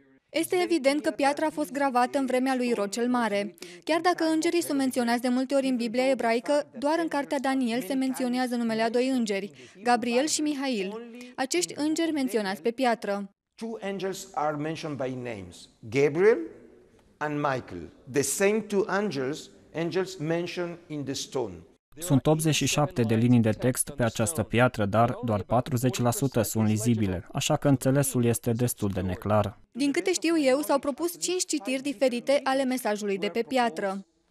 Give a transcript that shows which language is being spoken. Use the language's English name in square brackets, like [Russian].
[Romanian] Este evident că piatra a fost gravată în vremea lui Irod cel Mare. Chiar dacă îngerii sunt menționați de multe ori în Biblia ebraică, doar în cartea Daniel se menționează numele a 2 îngeri, Gabriel și Mihail. Acești îngeri menționați pe piatră. [English] 2 angels are mentioned by names, Gabriel and Michael. The same 2 angels mentioned in the stone. [Romanian] Sunt 87 de linii de text pe această piatră, dar doar 40% sunt lizibile, așa că înțelesul este destul de neclar. Din câte știu eu, s-au propus 5 citiri diferite ale mesajului de pe piatră.